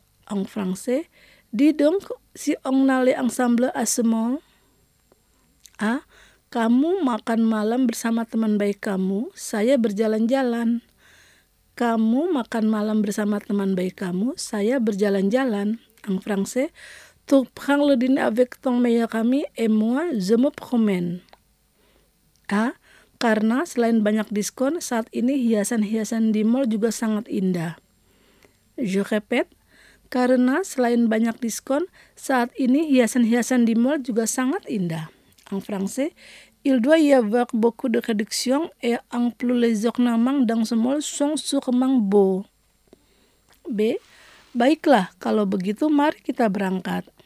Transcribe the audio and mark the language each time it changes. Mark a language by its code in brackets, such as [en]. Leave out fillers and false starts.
[fr] En français, dis donc si on allait ensemble à ce mall. A. [id] Kamu makan malam bersama teman baik kamu, saya berjalan-jalan. Kamu makan malam bersama teman baik kamu, saya berjalan-jalan. [fr] En français, tu prends le dîner avec ton meilleur ami et moi, je me promène. A. [id] Karena selain banyak diskon, saat ini hiasan-hiasan di mall juga sangat indah. [fr] Je répète. [id] Karena selain banyak diskon, saat ini hiasan-hiasan di mall juga sangat indah. [fr] En français, il doit y avoir beaucoup de réductions et en plus les ornements dans ce mall sont sûrement beaux. B. [id] Baiklah, kalau begitu mari kita berangkat.